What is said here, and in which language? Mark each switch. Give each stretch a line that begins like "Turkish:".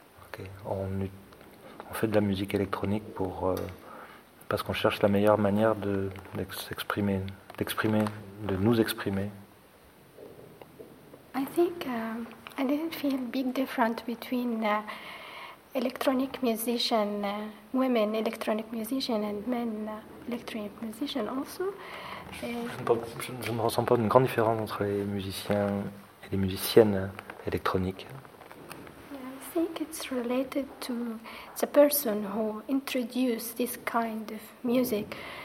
French: Ok, on fait de la musique électronique pour parce qu'on cherche la meilleure manière de s'exprimer, d'exprimer, de nous exprimer.
English: I think I didn't feel big difference between electronic musician women, electronic musician and men electronic musician also.
French: Je ne ressens pas une grande différence entre les musiciens et les musiciennes électroniques.
English: I think it's related to the person who introduced this kind of music.